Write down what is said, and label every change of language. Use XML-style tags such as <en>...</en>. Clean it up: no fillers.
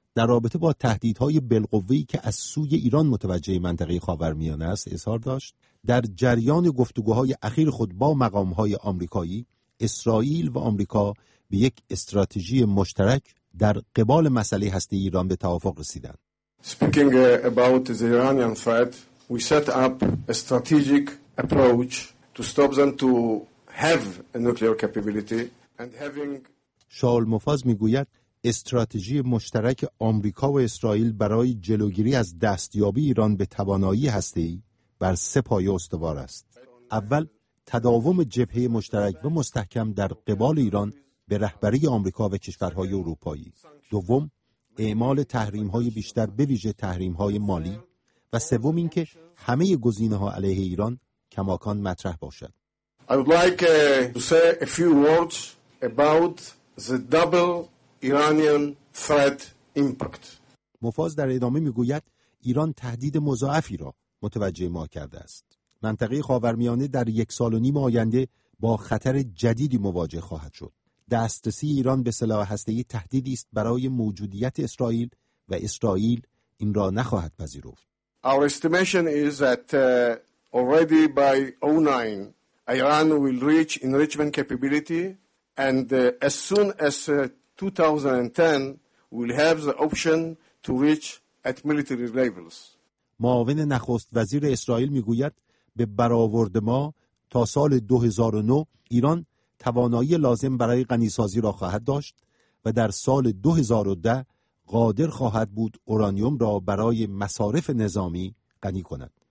<fa>در رابطه با تهدیدهای بالقوه‌ای که از سوی ایران متوجه منطقه خاورمیانه است اظهار داشت. در جریان گفتگوهای اخیر خود با مقام‌های آمریکایی، اسرائیل و آمریکا به یک استراتژی مشترک در قبال مسئله هسته‌ای ایران به توافق رسیدند.</fa> <en>Speaking about the Iranian threat, we set up a strategic approach to stop them to have a nuclear capability and having</en> <fa>شاول مفاز میگوید استراتژی مشترک آمریکا و اسرائیل برای جلوگیری از دستیابی ایران به توانایی هسته‌ای بر سه پایه استوار است. اول، تداوم جبهه مشترک و مستحکم در قبال ایران به رهبری آمریکا و کشورهای اروپایی. دوم، اعمال تحریم‌های بیشتر به ویژه تحریم‌های مالی و سوم اینکه همه گزینه‌ها علیه ایران کماکان مطرح باشد.</fa> <en>I would like to say a few words about the double Iranian threat impact.</en> <fa>مفاز در ادامه میگوید ایران تهدید مضاعفی را متوجه ما کرده است. منطقه خاورمیانه در یک سال و نیم آینده با خطر جدیدی مواجه خواهد شد. دسترسی ایران به سلاح هسته‌ای تهدیدی است برای موجودیت اسرائیل و اسرائیل این را نخواهد پذیرفت.</fa> <en>Our estimation is that already by 09 Iran will reach enrichment capability and as soon as 2010 will have the option to reach at military levels.</en> <fa>معاون نخست وزیر اسرائیل میگوید به برآورد ما تا سال 2009 ایران توانایی لازم برای غنی‌سازی را خواهد داشت و در سال 2010 قادر خواهد بود اورانیوم را برای مصارف نظامی غنی کند.</fa>